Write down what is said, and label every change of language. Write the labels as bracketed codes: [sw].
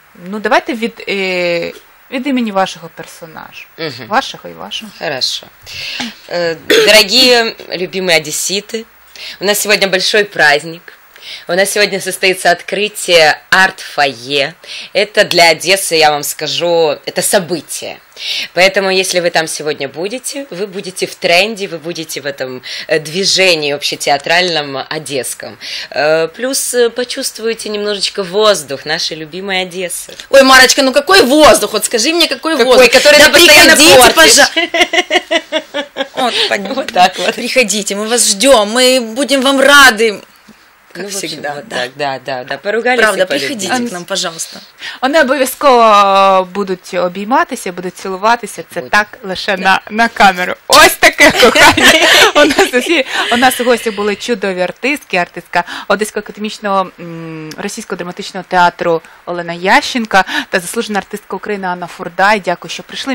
[uk] Ну, давайте від імені вашого персонажа. Угу. Вашого і вашого. [ru] Хорошо. [uk] Дорогі, любимі одесити, у нас сьогодні великий праздник. У нас сьогодні состоїться відкриття арт-фойє. Це для Одеси, я вам скажу, це событие. [ru] Поэтому, если вы там сегодня будете, вы будете в тренде, вы будете в этом движении общетеатральном одесском. Плюс почувствуете немножечко воздух нашей любимой Одессы. Ой, Марочка, ну какой воздух? Вот скажи мне, какой воздух? Который да ты постоянно портишь. Вот, понятно. Вот так вот. Приходите, мы вас ждем, мы будем вам рады. Как ну, всегда, общем, да. Да, поругались. Правда, приходите к нам, пожалуйста. [uk] Вони обов'язково будуть обійматися, будуть цілуватися. Це буде. Так лише да. на камеру. Ось таке кохання. У нас у гості були чудові артистки, артистка Одесько-академічного російського драматичного театру Олена Ященка та заслужена артистка України Анна Фурдай. Дякую, що прийшли.